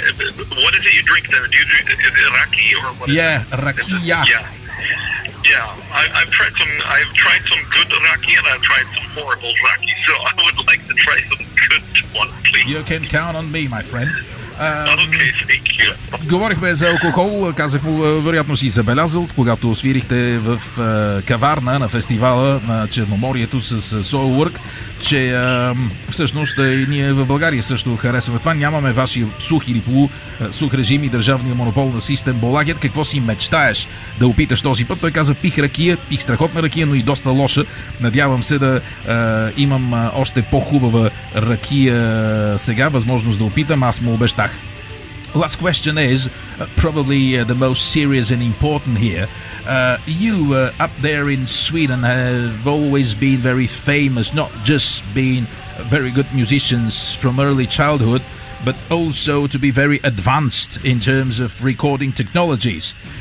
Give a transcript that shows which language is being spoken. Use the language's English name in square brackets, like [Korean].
[English] What is it you drink there? Do you drink is it raki or what? Yeah, raki. Yeah. I've tried some good raki and I've tried some horrible raki. So I would like to try some good one, please. You can count on me, my friend. Okay, [Bulgarian] говорихме за алкохол, казах му, вероятно си забелязал, когато свирихте в каварна на фестивала на Черноморието с Soulwork, че всъщност ние в България също харесваме това. Нямаме ваши сух или полусух режим и държавния монопол на систем Болагет. Какво си мечтаеш да опиташ този път? Той каза, пих ракия, пих страхотна ракия, но и доста лоша. Надявам се да имам още по-хубава ракия сега, възможност да опитам. Аз му обещах. [English] last question is probably the most serious and important here. You up there in Sweden have always been very famous, not just being very good musicians from early childhood, but also to be very advanced in terms of recording technologies.